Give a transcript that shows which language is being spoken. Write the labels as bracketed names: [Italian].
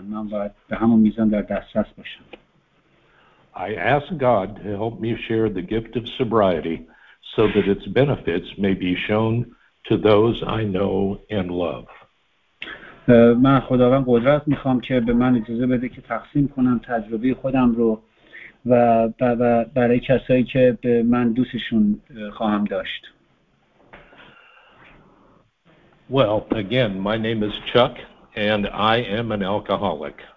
[Persian] من باید به همون میزان در دسترس باشم. [English] I ask God to help me share the gift of sobriety so that its benefits may be shown to those I know and love. [Persian] من خداوند قدرت میخوام که به من اجازه بده که تقسیم کنم تجربه خودم رو و برای کسایی که به من دوستشون خواهم داشت. [English] Well, again, my name is Chuck and I am an alcoholic.